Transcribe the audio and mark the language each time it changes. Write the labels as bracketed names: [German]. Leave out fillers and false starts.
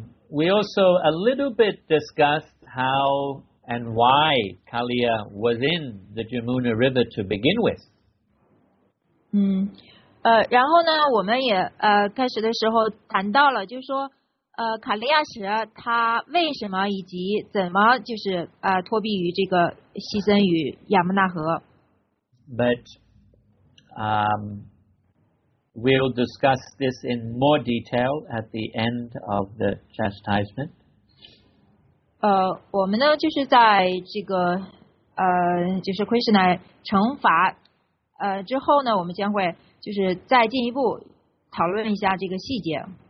[English] We also a little bit discussed how and why Kaliya was in the Jamuna River to begin with. [Chinese] 然后呢，我们也开始的时候谈到了，就是说卡利亚蛇它为什么以及怎么就是脱壁于这个西森与亚穆纳河。 [English] But we'll discuss this in more detail at the end of the chastisement. [Chinese] 我们呢就是在这个就是 Krishna 惩罚之后呢，我们将会就是再进一步讨论一下这个细节。